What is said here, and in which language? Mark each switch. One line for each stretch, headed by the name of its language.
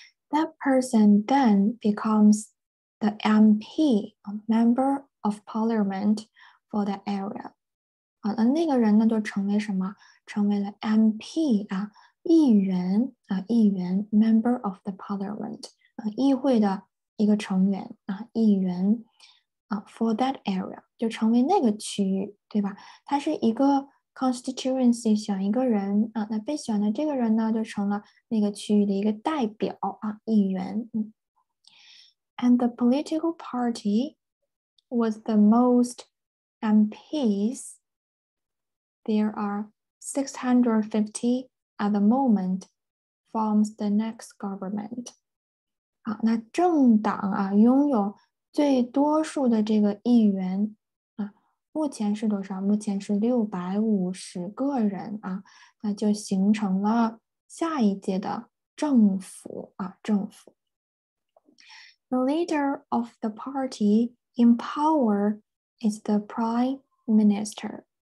English: That person then becomes the MP, a member of parliament for the area.
Chinese: 好的，那个人呢就成为什么？成为了 MP 啊，议员啊，议员，
English: member of the parliament
Chinese: 啊，议会的一个成员啊，议员啊，
English: for that area
Chinese: 就成为那个区域，对吧？它是一个 constituency 选一个人啊，那被选的这个人呢就成了那个区域的一个代表啊，议员。
English: And the political party was the most MPs。 There are 650 at the moment, forms the next government.
Chinese: 啊，那政党啊，拥有最多数的这个议员啊，目前是多少？目前是650个人啊，那就形成了下一届的政府啊，政府。
English: The leader of the party in power is the prime minister.